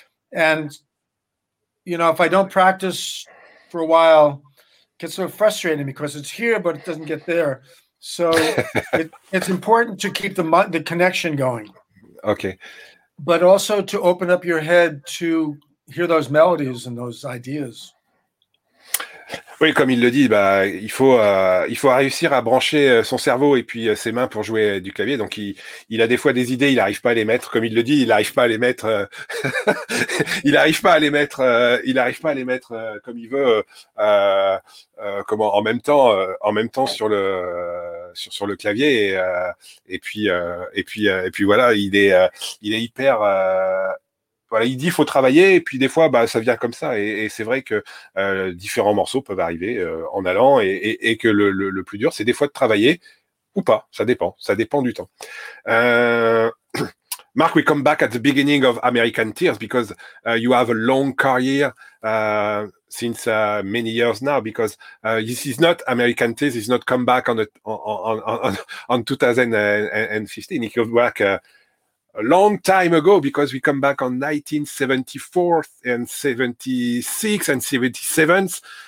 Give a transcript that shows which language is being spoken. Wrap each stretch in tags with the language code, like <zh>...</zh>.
<en>And, you know, if I don't practice for a while, it gets so frustrating because it's here, but it doesn't get there. So it's important to keep the connection going. Okay. But also to open up your head to hear those melodies and those ideas.</en> <fr>Oui, comme il le dit, il faut réussir à brancher son cerveau et puis ses mains pour jouer du clavier. Donc, il a des fois des idées, il n'arrive pas à les mettre. Comme il le dit, il n'arrive pas à les mettre comme il veut. En même temps sur le clavier. Et puis voilà, il est hyper. Voilà, il dit faut travailler et puis des fois ça vient comme ça et c'est vrai que différents morceaux peuvent arriver en allant et que le plus dur c'est des fois de travailler ou pas, ça dépend du temps.</fr> <en>Mark, we come back at the beginning of American Tears because you have a long career since many years now, because this is not American Tears, it's not come back on 2015, it could work a long time ago, because we come back on 1974 and 76 and 77.</en>